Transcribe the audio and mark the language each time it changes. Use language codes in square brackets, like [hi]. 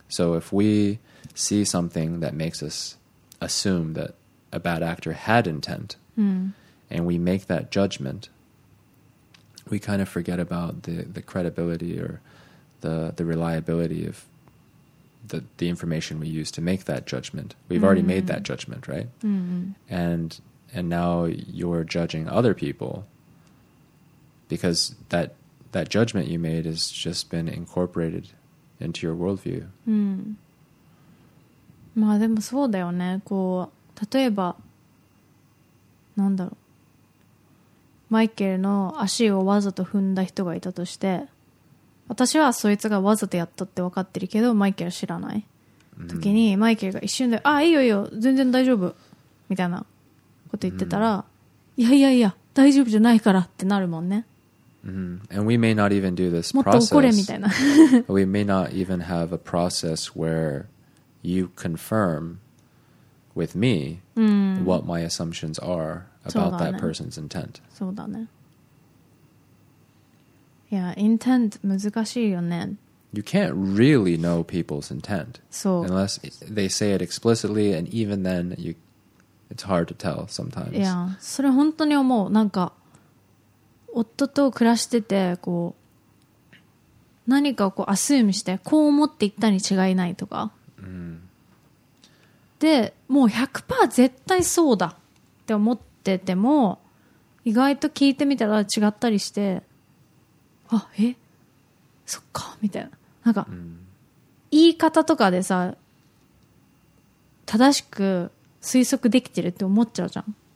[en] So if we see something that makes us assume that a bad actor had intent, and we make that judgment, we kind of forget about the credibility or the reliability of the information we use to make that judgment. We've already made that judgment, right? And now you're judging other people because that judgment you made has just been incorporated into your worldview. [ja] まあでもそうだよね。こう、例えば、なんだろう。マイケルの足をわざと踏んだ人がいたとして、私はそいつがわざとやったって分かってるけど、マイケル知らない。時に、マイケルが一瞬で、あ、いいよいいよ、全然大丈夫。みたいなこと言ってたら、いやいやいや、大丈夫じゃないからってなるもんね。 [en] And we may not even do this [ja] process. もっと怒れみたいな。 [en] We may not even have a process where you confirm with me what my assumptions are about that person's intent. [ja] そうだね。いや、intent 難しいよね。 [en] You can't really know people's intent. [ja] そう。 [en] Unless they say it explicitly, and even then, it's hard to tell sometimes. [ja] いや、それ本当に思う。なんか、夫と暮らしてて、こう、何かをこう、assume して、こう思って言ったに違いないとか。で、もう 100% 絶対そうだって思ってても、意外と聞いてみたら違ったりして、あ、え、そっかみたいな、なんか言い方とかでさ、正しく推測できてるって思っちゃうじゃん。